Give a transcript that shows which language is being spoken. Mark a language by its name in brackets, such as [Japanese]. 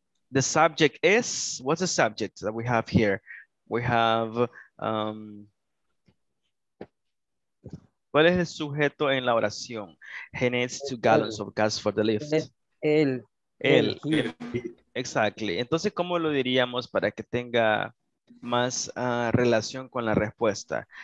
[English] The subject is, what's the subject that we have here? We have, [Spanish] ¿cuál es el sujeto en la oración? [English] He needs 2 gallons of gas for the lift. [Spanish] El. [English] Exactly. [Spanish] Entonces, ¿cómo lo diríamos para que tenga más relación con la respuesta?